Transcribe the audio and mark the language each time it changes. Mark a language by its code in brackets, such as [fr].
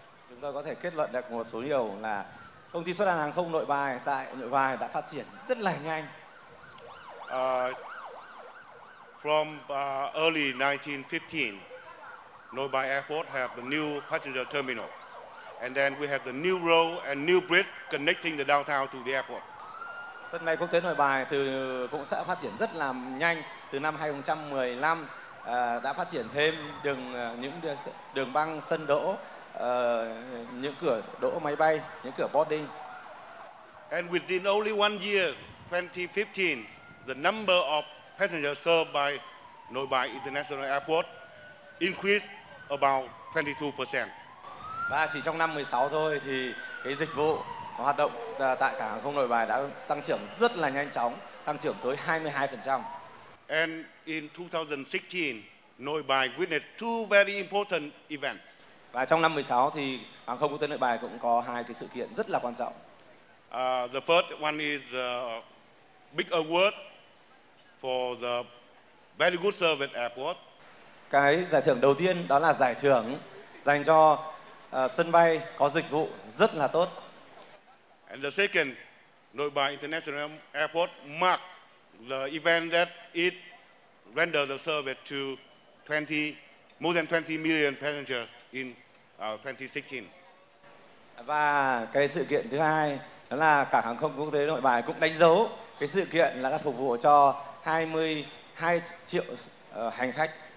[vi] Chúng ta có thể kết luận được một số điều là công ty xuất hàng không Nội Bài tại Nội Bài đã phát triển rất là nhanh. [en] From early 1915, Nội Bài Airport have the new passenger terminal, and then we have the new road and new bridge connecting the downtown to the airport. [vi] Sân bay quốc tế Nội Bài cũng đã phát triển rất là nhanh. Từ năm 2015 đã phát triển thêm những đường băng sân đỗ, những cửa đỗ máy bay, những cửa boarding. [en] And within only one year, 2015, the number of passengers served by Nội Bài International Airport increased about 22%. [vi] Và chỉ trong năm 16 thôi thì cái dịch vụ hoạt động tại cảng hàng không Nội Bài đã tăng trưởng rất là nhanh chóng, tăng trưởng tới 22%. [en] And in 2016, Nội Bài witnessed two very important events. [vi] Và trong năm 16 thì hàng không quốc tế Nội Bài cũng có hai cái sự kiện rất là quan trọng. [en] The first one is the big award for the very good service airport. [vi] Cái giải thưởng đầu tiên đó là giải thưởng dành cho sân bay có dịch vụ rất là tốt. [en] And the second, Nội Bài International Airport marked the event that it rendered the service to more than 20 million passengers in 2016. [vi] Và cái sự kiện thứ hai đó là cảng hàng không quốc tế Nội Bài cũng đánh dấu cái sự kiện là đã phục vụ cho 22 triệu hành khách.